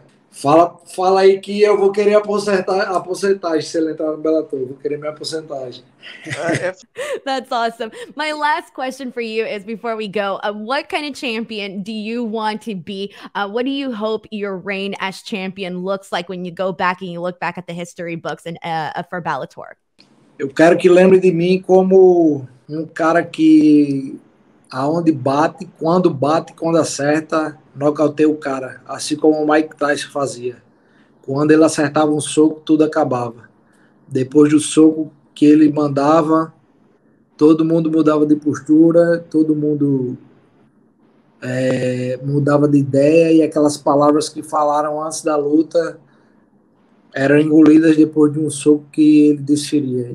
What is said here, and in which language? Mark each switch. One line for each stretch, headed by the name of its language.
Portuguese: fala aí que eu vou querer a porcentagem se ele entrar no Bellator, vou querer minha porcentagem.
English: That's awesome. My last question for you is, before we go, what kind of champion do you want to be? What do you hope your reign as champion looks like when you go back and you look back at the history books and for Bellator?
Portuguese: Eu quero que lembre de mim como cara que aonde bate, quando acerta, nocauteia o cara. Assim como o Mike Tyson fazia. Quando ele acertava um soco, tudo acabava. Depois do soco que ele mandava, todo mundo mudava de postura, todo mundo mudava de ideia, e aquelas palavras que falaram antes da luta eram engolidas depois de um soco que ele desferia.